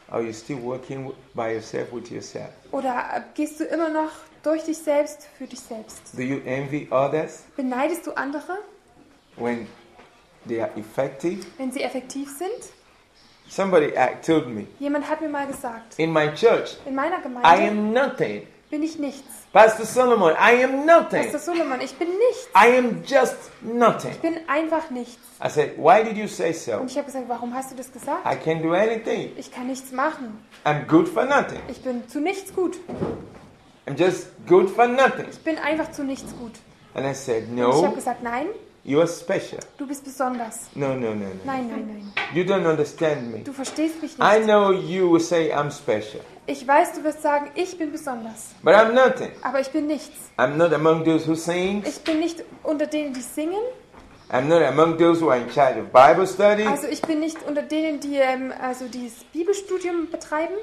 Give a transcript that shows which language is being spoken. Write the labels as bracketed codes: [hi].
[en] Are you still working by yourself with yourself? [de] Oder gehst du immer noch durch dich selbst, für dich selbst? [en] Do you envy others? [de] Beneidest du andere? [en] When they are effective? [de] Wenn sie effektiv sind? [en] Somebody told me. [de] Jemand hat mir mal gesagt. [en] In my church. [de] In meiner Gemeinde. [en] I am nothing. [de] Bin ich nichts. [en] Pastor Solomon, I am nothing. [de] Pastor Solomon, ich bin nichts. [en] I am just nothing. [de] Ich bin einfach nichts. [en] I said, why did you say so? [de] Und ich habe gesagt, warum hast du das gesagt? [en] I can't do anything. [de] Ich kann nichts machen. [en] I'm good for nothing. [de] Ich bin zu nichts gut. [en] I'm just good for nothing. [de] Ich bin einfach zu nichts gut. [en] And I said, no. [de] Und ich habe gesagt, nein. [en] You are special. [de] Du bist besonders. [en] No, no, no, no. [de] Nein, nein, nein. [en] You don't understand me. [de] Du verstehst mich nicht. [en] I know you will say I'm special. [de] Ich weiß, du wirst sagen, ich bin besonders. [en] But I'm nothing. [de] Aber ich bin nichts. [en] I'm not among those who sing. [de] Ich bin nicht unter denen, die singen. [en] I'm not among those who are in charge of Bible study. [de] Also ich bin nicht unter denen, die also dieses Bibelstudium betreiben.